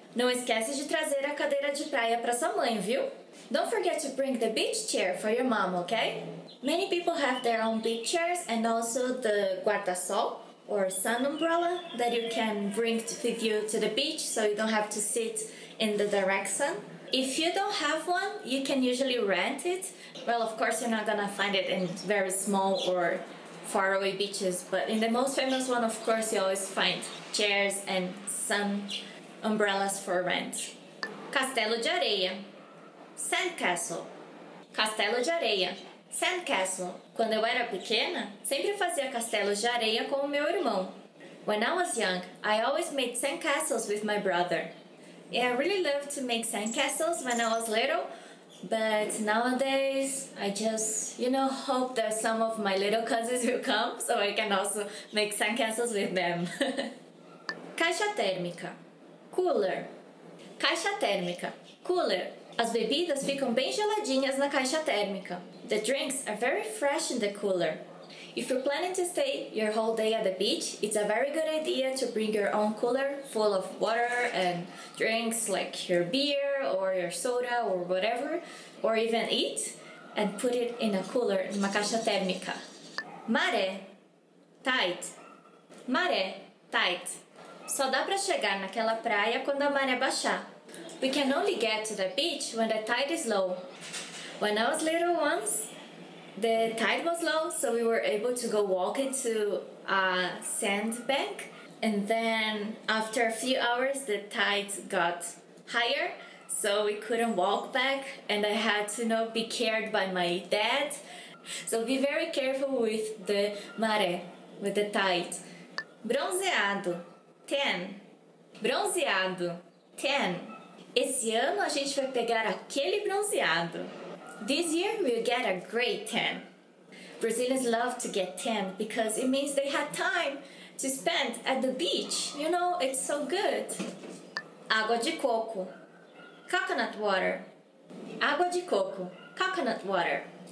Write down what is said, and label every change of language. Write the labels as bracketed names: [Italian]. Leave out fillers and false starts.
[Portuguese] Não esquece de trazer a cadeira de praia pra sua mãe, viu? [English] Don't forget to bring the beach chair for your mom, okay? Many people have their own beach chairs and also the guarda-sol or sun umbrella that you can bring with you to the beach so you don't have to sit in the direct sun. If you don't have one, you can usually rent it. Well, of course, you're not gonna find it in very small or faraway beaches, but in the most famous one, of course, you always find chairs and sun umbrellas for rent. [Portuguese] Castelo de areia. Sandcastle. Castelo de areia. Sandcastle. Quando eu era pequena, sempre fazia castelos de areia com o meu irmão. [English] When I was young, I always made sandcastles with my brother. Yeah, I really loved to make sandcastles when I was little, but nowadays I just, you know, hope that some of my little cousins will come so I can also make sandcastles with them. [Portuguese] Caixa térmica. Cooler. Caixa térmica. Cooler. As bebidas ficam bem geladinhas na caixa térmica. [English] The drinks are very fresh in the cooler. If you're planning to stay your whole day at the beach, it's a very good idea to bring your own cooler full of water and drinks like your beer or your soda or whatever, or even eat, and put it in a cooler, in [Portuguese] uma caixa térmica. Maré. Tide. Maré. Tide. Só dá pra chegar naquela praia quando a maré baixar. [English] We can only get to the beach when the tide is low. When I was little once, the tide was low, so we were able to go walk into a sandbank. And then after a few hours, the tide got higher, so we couldn't walk back. And I had to, you know, be cared by my dad. So be very careful with the mare, with the tide. [Portuguese] Bronzeado. Tan. Bronzeado. Tan. Esse ano a gente vai pegar aquele bronzeado. [English] This year we'll get a great tan. Brazilians love to get tan because it means they had time to spend at the beach. You know, it's so good. [Portuguese] Água de coco. [English] Coconut water. Água de coco. Coconut water.